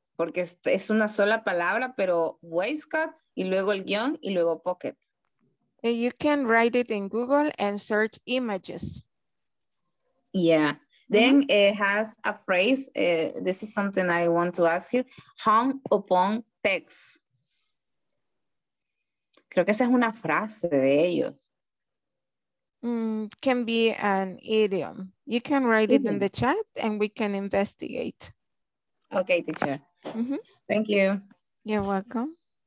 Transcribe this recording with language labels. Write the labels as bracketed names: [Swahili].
[Spanish] Porque es una sola palabra, pero waistcoat, y luego el guión, y luego pocket. [English] You can write it in Google and search images. Yeah. Then it has a phrase. This is something I want to ask you. Hung upon pegs. [Spanish] Creo que esa es una frase de ellos. [English] Can be an idiom. You can write it in the chat and we can investigate. Okay, teacher. Thank you. You're welcome.